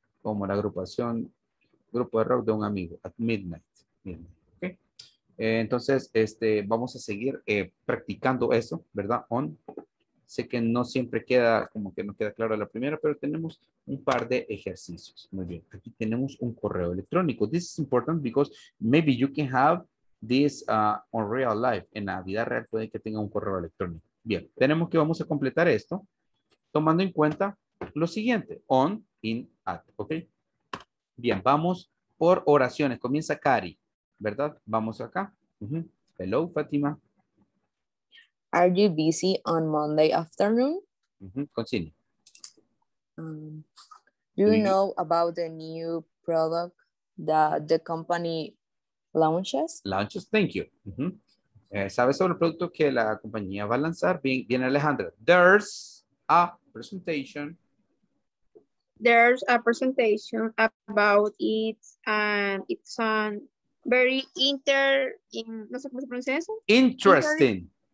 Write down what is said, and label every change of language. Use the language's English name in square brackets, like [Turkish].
[Spanish] Como la agrupación, grupo de rock de un amigo, [English] at midnight. Midnight. [Spanish] Entonces, vamos a seguir practicando eso, ¿verdad? On. Sé que no siempre queda, como que no queda claro la primera, pero tenemos un par de ejercicios. Muy bien. Aquí tenemos un correo electrónico. [English] This is important because maybe you can have this on real life. [Spanish] En la vida real puede que tenga un correo electrónico. Bien. Tenemos que vamos a completar esto tomando en cuenta lo siguiente. [English] On, in, at. [Spanish] ¿Ok? Bien. Vamos por oraciones. Comienza Cari. ¿Verdad? Vamos acá. Uh-huh. [English] Hello, Fátima. Are you busy on Monday afternoon? Uh-huh. Continue. Do you know about the new product that the company launches? Launches, thank you. Uh-huh. [Spanish] ¿Sabes sobre el producto que la compañía va a lanzar? Bien, Alejandra. [English] There's a presentation. There's a presentation about it and it's on very interesting.